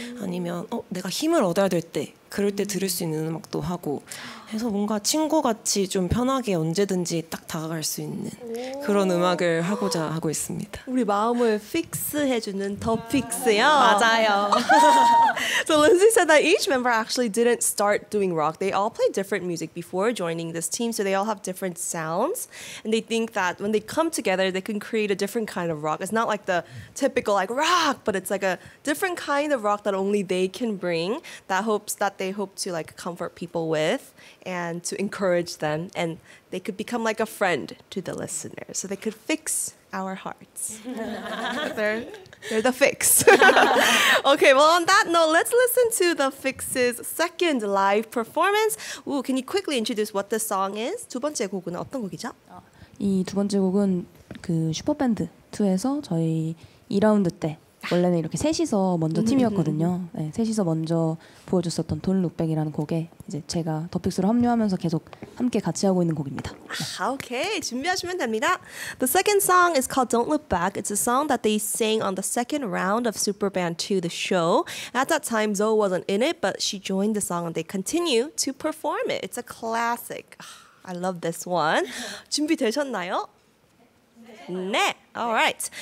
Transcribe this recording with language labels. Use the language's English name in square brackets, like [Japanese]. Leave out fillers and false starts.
[Korean] 아니면 내가 힘을 얻어야 될 때 그럴 때 들을 수 있는 음악도 하고 해서 뭔가 친구같이 좀 편하게 언제든지 딱 다가갈 수 있는 그런 음악을 하고자 하고 있습니다. 우리 마음을 픽스해주는 더 픽스요? 맞아요. [English] So Lindsay said that each member actually didn't start doing rock. They all played different music before joining this team, so they all have different sounds. And they think that when they come together, they can create a different kind of rock. It's not like the typical like rock, but it's like a different kind of rock that only they can bring that they hope to like comfort people with. And to encourage them, and they could become like a friend to the listeners, so they could fix our hearts. they're the fix. Okay, well, on that note, let's listen to The Fix's second live performance. Ooh, can you quickly introduce what the song is? [Korean] 두 번째 곡은 어떤 곡이죠? 이 두 번째 곡은 그 슈퍼밴드 2에서 저희 2라운드 때 원래는 이렇게 셋이서 먼저 팀이었거든요. 네, 셋이서 먼저 보여줬었던 돈 룩백이라는 곡에 이제 제가 더픽스로 합류하면서 계속 함께 같이 하고 있는 곡입니다. 아, 오케이. 준비하시면 됩니다. [English] The second song is called Don't Look Back. It's a song that they sang on the second round of Super Band 2, the show. At that time, Zoe wasn't in it, but she joined the song and they continue to perform it. It's a classic. I love this one. [Korean] 준비되셨나요? 네. [English] All right.